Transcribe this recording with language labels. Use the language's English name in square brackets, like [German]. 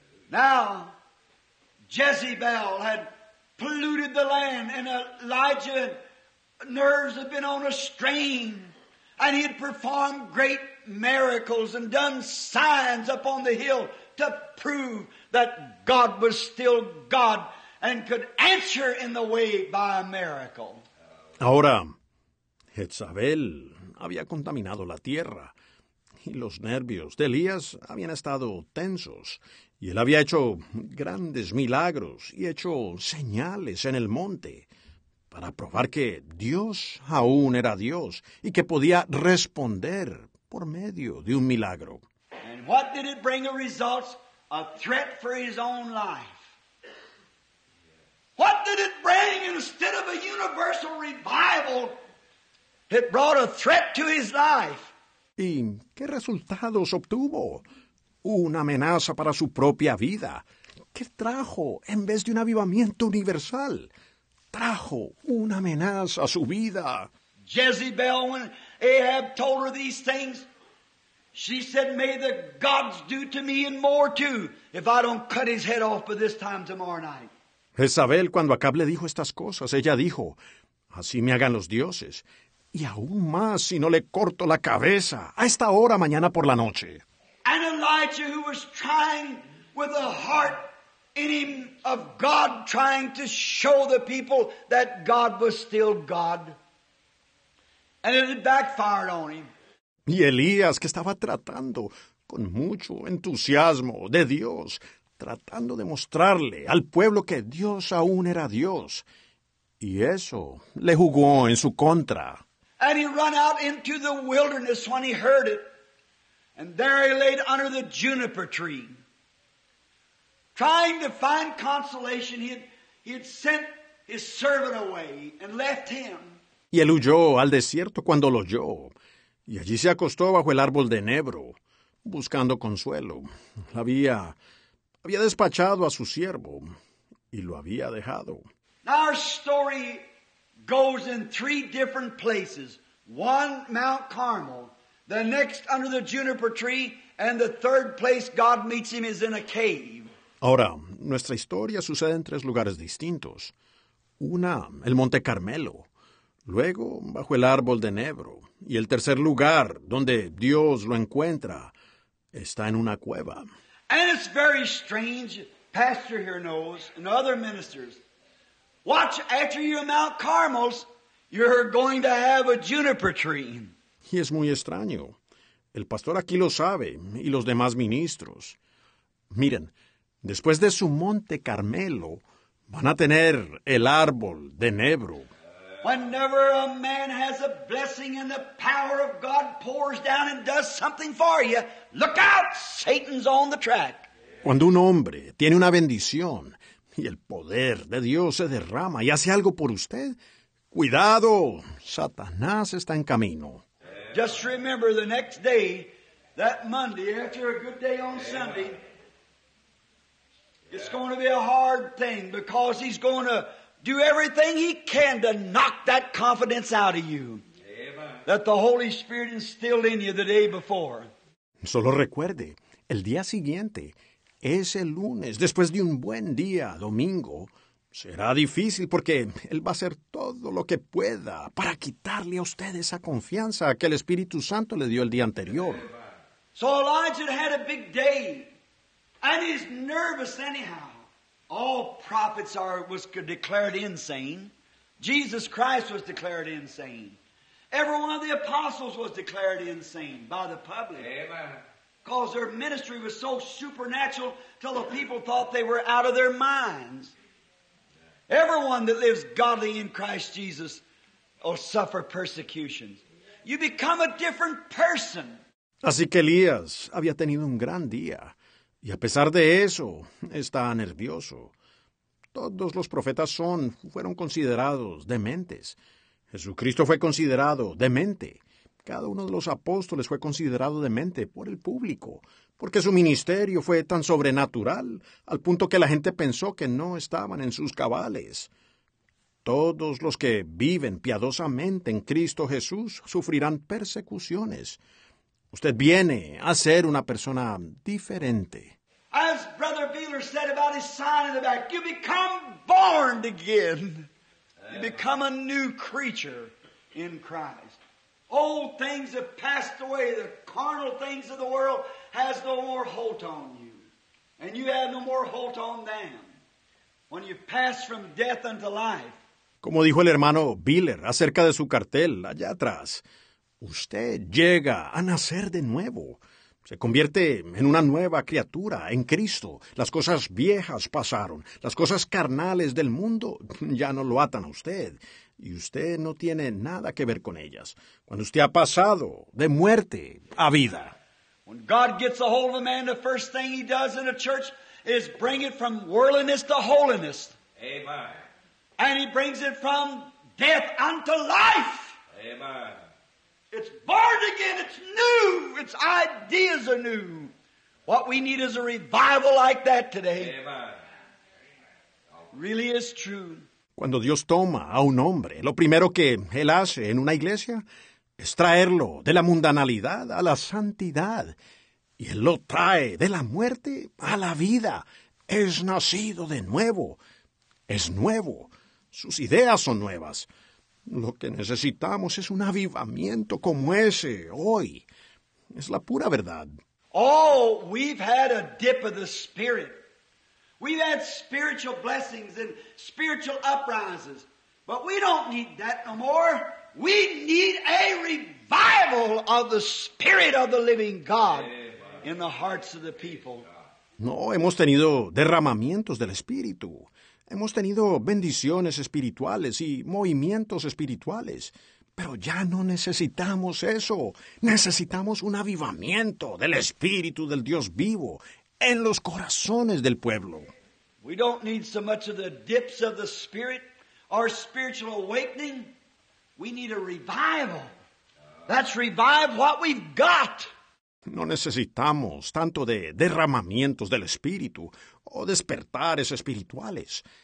[English] Now, Jezebel had polluted the land, and Elijah's nerves had been on a strain, and he had performed great miracles and done signs up on the hill to prove that God was still God and could answer in the way by a miracle. [Spanish] Ahora, Jezabel había contaminado la tierra, y los nervios de Elías habían estado tensos, y él había hecho grandes milagros y hecho señales en el monte para probar que Dios aún era Dios y que podía responder por medio de un milagro. [English] And And what did it bring the results? A threat for his own life. What did it bring instead of a universal revival? It brought a threat to his life. [Spanish] ¿Y qué resultados obtuvo? Una amenaza para su propia vida. ¿Qué trajo en vez de un avivamiento universal? Trajo una amenaza a su vida. [English] Jezebel, when Ahab told her these things, she said, "May the gods do to me and more too, if I don't cut his head off by this time tomorrow night." [Spanish] Jezabel, cuando Acab le dijo estas cosas, ella dijo, "Así me hagan los dioses, y aún más si no le corto la cabeza a esta hora mañana por la noche." [English] And Elijah, who was trying with a heart in him of God, trying to show the people that God was still God. And it had backfired on him. [Spanish] Y Elías, que estaba tratando con mucho entusiasmo de Dios, tratando de mostrarle al pueblo que Dios aún era Dios. Y eso le jugó en su contra. [English] And he ran out into the wilderness when he heard it. And there he laid under the juniper tree. Trying to find consolation, he had sent his servant away and left him. [Spanish] Y él huyó al desierto cuando lo oyó, y allí se acostó bajo el árbol de enebro, buscando consuelo. Había despachado a su siervo, y lo había dejado. [English] Our story goes in three different places. One, Mount Carmel, the next under the juniper tree, and the third place God meets him is in a cave. [Spanish] Ahora, nuestra historia sucede en tres lugares distintos. Una, el Monte Carmelo. Luego, bajo el árbol de enebro. Y el tercer lugar, donde Dios lo encuentra, está en una cueva. [English] And it's very strange, pastor here knows, and other ministers. Watch, after you're Mount Carmel, you're going to have a juniper tree. [Spanish] Y es muy extraño. El pastor aquí lo sabe, y los demás ministros. Miren, después de su Monte Carmelo, van a tener el árbol de enebro. [English] Whenever a man has a blessing and the power of God pours down and does something for you, look out, Satan's on the track. [Spanish] Cuando un hombre tiene una bendición y el poder de Dios se derrama y hace algo por usted, cuidado, Satanás está en camino. [English] Just remember the next day, that Monday, after a good day on Sunday, it's going to be a hard thing because he's going to do everything he can to knock that confidence out of you. Amen. That the Holy Spirit instilled in you the day before. [Spanish] Solo recuerde, el día siguiente, ese lunes, después de un buen día, domingo, será difícil porque él va a hacer todo lo que pueda para quitarle a usted esa confianza que el Espíritu Santo le dio el día anterior. Amen. [English] So Elijah had a big day, and he's nervous anyhow. All prophets was declared insane. Jesus Christ was declared insane. Every one of the apostles was declared insane by the public. Amen. Because their ministry was so supernatural till the people thought they were out of their minds. Everyone that lives godly in Christ Jesus will suffer persecutions. You become a different person. [Spanish] Así que Elías había tenido un gran día. Y a pesar de eso, está nervioso. Todos los profetas fueron considerados dementes. Jesucristo fue considerado demente. Cada uno de los apóstoles fue considerado demente por el público, porque su ministerio fue tan sobrenatural al punto que la gente pensó que no estaban en sus cabales. Todos los que viven piadosamente en Cristo Jesús sufrirán persecuciones. Usted viene a ser una persona diferente. [English] As Brother Beeler said about his sign in the back, you become born again. You become a new creature in Christ. Old things have passed away. The carnal things of the world has no more hold on you. And you have no more hold on them. When you pass from death unto life. [Spanish] Como dijo el hermano Beeler acerca de su cartel allá atrás, usted llega a nacer de nuevo. Se convierte en una nueva criatura en Cristo. Las cosas viejas pasaron. Las cosas carnales del mundo ya no lo atan a usted. Y usted no tiene nada que ver con ellas. Cuando usted ha pasado de muerte a vida. [English] When God gets a hold of a man, the first thing he does in a church is bring it from worldliness to holiness. Amen. And he brings it from death unto life. Amen. It's born again. It's new. Its ideas are new. What we need is a revival like that today. Amen. Really is true. [Spanish] Cuando Dios toma a un hombre, lo primero que Él hace en una iglesia es traerlo de la mundanalidad a la santidad. Y Él lo trae de la muerte a la vida. Es nacido de nuevo. Es nuevo. Sus ideas son nuevas. Lo que necesitamos es un avivamiento como ese hoy. Es la pura verdad. [English] Oh, we've had a dip of the Spirit. We've had spiritual blessings and spiritual uprises. But we don't need that no more. We need a revival of the Spirit of the living God in the hearts of the people. [Spanish] No, hemos tenido derramamientos del Espíritu. Hemos tenido bendiciones espirituales y movimientos espirituales. Pero ya no necesitamos eso. Necesitamos un avivamiento del Espíritu del Dios vivo en los corazones del pueblo. [English] We don't need so much of the dips of the Spirit or spiritual awakening. We need a revival. That's revive what we've got. [Spanish] No necesitamos tanto de derramamientos del Espíritu o despertares espirituales.